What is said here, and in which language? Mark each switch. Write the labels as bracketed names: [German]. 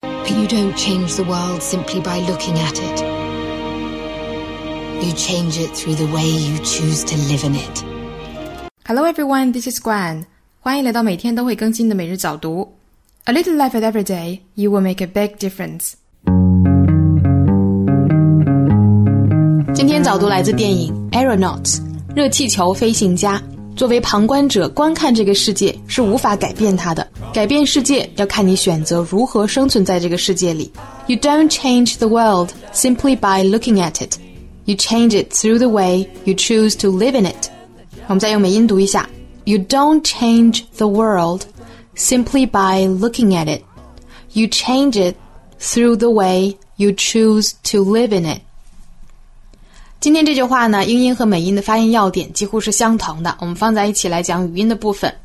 [English] you don't change the world simply by looking at it. You change it through the way you choose to live in it. Hello everyone, this is Gwen. [Chinese] 欢迎来到每天都会更新的每日早读。 [English] A little effort every day, you will make a big difference. [Chinese] 今天早读来自电影 Aeronauts, 热气球飞行家。作为旁观者观看这个世界是无法改变它的。改变世界要看你选择如何生存在这个世界里。 [English] You don't change the world simply by looking at it. You change it through the way you choose to live in it. [Chinese] 我们再用美音读一下。 [English] You don't change the world simply by looking at it. You change it through the way you choose to live in it. [Chinese] 今天这句话呢，英音和美音的发音要点几乎是相同的。我们放在一起来讲语音的部分。